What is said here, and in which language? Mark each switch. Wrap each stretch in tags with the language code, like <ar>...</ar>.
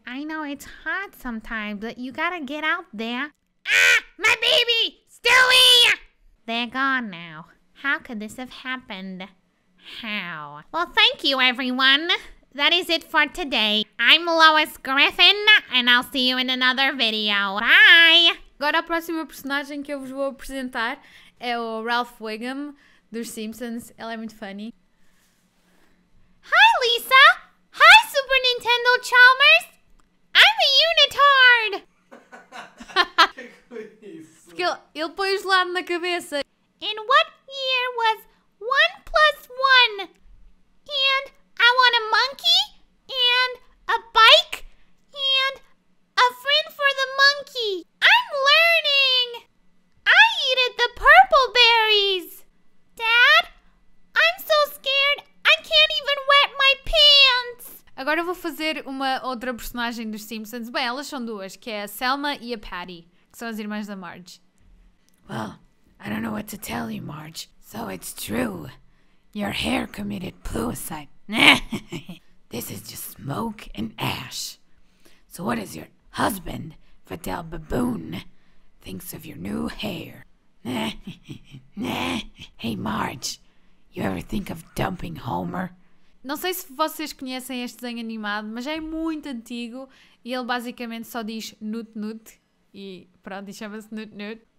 <en>I know it's hot sometimes, but you gotta get out there. Ah! My baby! Stewie! They're gone now. How could this have happened? How? Well, thank you, everyone. That is it for today. I'm Lois Griffin, and I'll see you in another video. Bye!</en> <pt>Agora a próxima personagem que eu vos vou apresentar é o Ralph Wiggum, dos Simpsons. Ele é muito funny.</pt> <en>Hi, Lisa! Hi, Super Nintendo Chalmers! I'm a unitard!</en> <pt>Que isso? Ele põe o gelado na cabeça.</pt> <en>In what year was 1 plus 1? And I want a monkey? And a bike? And a friend for the monkey? Learning! I eat at the purple berries! Dad, I'm so scared I can't even wet my pants!</en> <pt>Agora eu vou fazer uma outra personagem dos Simpsons. Bem, elas são duas, que é a Selma e a Patty, que são as irmãs da Marge.</pt> <en>Well, I don't know what to tell you, Marge. So it's true. Your hair committed suicide. This is just smoke and ash. So what is your husband? Fidel Baboon thinks of your new hair. Hey Marge, you ever think of dumping Homer?</en> <pt>Não sei se vocês conhecem este desenho animado, mas é muito antigo e ele basicamente só diz nut nut e pronto, chama-se nut nut.</pt>